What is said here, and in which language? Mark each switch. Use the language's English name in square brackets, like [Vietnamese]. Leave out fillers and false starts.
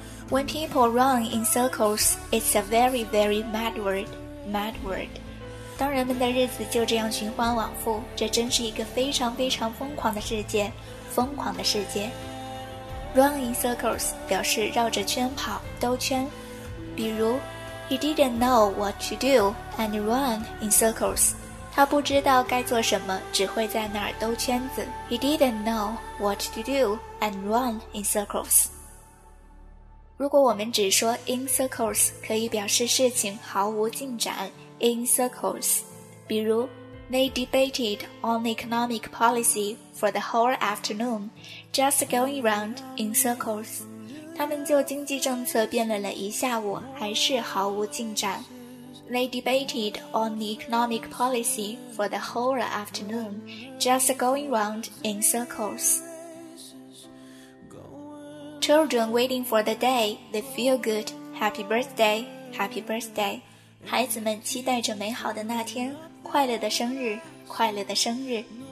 [English] When people run in circles, it's a very, very mad word. Mad word. [Chinese] 当人们的日子就这样循环往复，这真是一个非常非常疯狂的世界。疯狂的世界。 [English] Run in circles [Chinese] 表示绕着圈跑，兜圈。 [English] 比如 ，He didn't know what to do and run in circles. [Chinese] 他不知道该做什么，只会在那儿兜圈子。 [English] He didn't know what to do and run in circles. [Chinese] 如果我们只说 in circles 可以表示事情毫无进展 in circles 比如 [English] They debated on economic policy for the whole afternoon just going round in circles [Chinese] 他们就经济政策辩论了一下午还是毫无进展 [English] They debated on economic policy for the whole afternoon just going round in circlesChildren waiting for the day, they feel good. Happy birthday, happy birthday. [Chinese] 孩子们期待着美好的那天，快乐的生日，快乐的生日。